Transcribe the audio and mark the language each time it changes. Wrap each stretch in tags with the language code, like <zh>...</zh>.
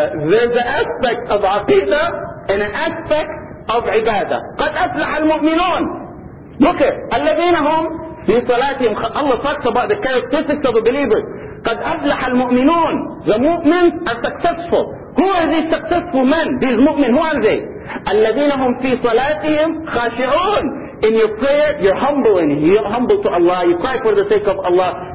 <en>There's an aspect of aqidah and an aspect of ibadah.</en> <ar>قَدْ أَفْلَحَ الْمُؤْمِنُونَ.</ar> <en>Look at</en> <ar>الَّذِينَ هُمْ فِي صَلَاتِهِمْ.</ar> <en>Allah talks about the characteristics of the believers.</en> <ar>قَدْ أَفْلَحَ الْمُؤْمِنُونَ.</ar> <en>The mu'mins are successful. Who are these successful men? These mu'mins, who are they?</en> <ar>الَّذِينَ هُمْ فِي صَلَاتِهِمْ خَاشِعُونَ.</ar> <en>In your prayer, you're humble in here. You're humble to Allah. You cry for the sake of Allah.</en>